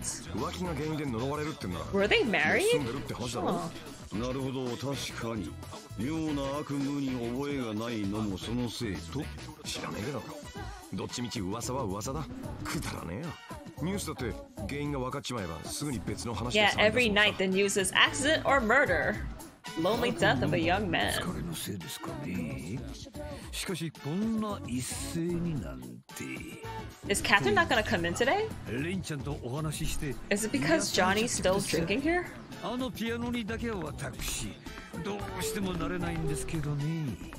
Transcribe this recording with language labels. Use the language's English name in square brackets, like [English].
[Japanese] 浮気が原因で呪われるってんだ。 [English] Were they married? [Japanese] 住んでるって話だろ。なるほど、確かに妙な悪夢に覚えがないのもそのせいと。知らねえだろ。どっちみち噂は噂だ。くだらねえよ。ニュースだって原因が分かっちまえばすぐに別の話で。 [English] Yeah, every night the news is accident or murder. Lonely death of a young man. [Japanese] 疲れのせいですかね。しかしこんな一斉になんて。 [English] Is Catherine not gonna come in today? [Japanese] レンちゃんとお話しして。 [English] Is it because Johnny's still drinking here? [Japanese] あのピアノにだけは私どうしても慣れないんですけどね。